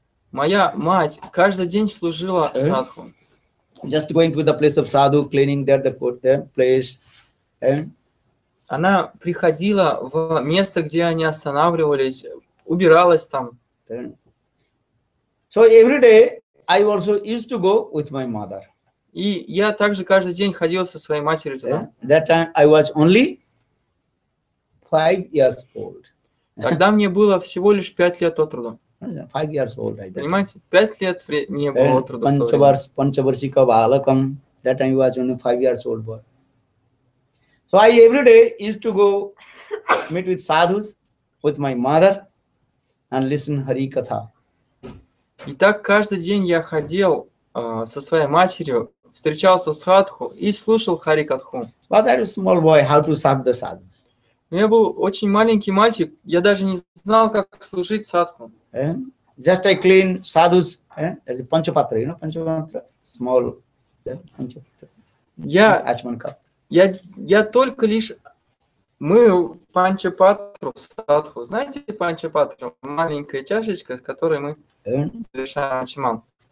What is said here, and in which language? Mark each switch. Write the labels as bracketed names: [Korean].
[Russian] Моя мать каждый день служила садху. [English] Just going to the place of sadhu, cleaning there the place. [Russian] Она приходила в место, где они останавливались, убиралась там. [English] So every day I also used to go with my mother. [Russian] И я также каждый день ходил со своей матерью туда. [English] That time I was only 5 years old. [Russian] Тогда мне было всего лишь 5 лет от роду. [English] 5 years old, right? [Russian] Понимаете, 5 лет мне было от роду. [Sanskrit] Панчаварсика балакам. [English] That time I was only 5 years old boy. So I every day used to go meet with sadhus, with my mother, and listen Hari Katha. [Russian] И так каждый день я ходил со своей матерью, встречался с садху и слушал Хари Катху. [English] But I was a small boy, how to serve the sadhu. [Russian] Я был очень маленький мальчик, я даже не знал, как служить садху. [English] And just I clean sadhus, as a panchapatra, you know, panchapatra, small, panchapatra. [Russian] Я только лишь мыл панчапатру садху. Знаете панчапатру? Маленькая чашечка, с которой мы совершаем ачман.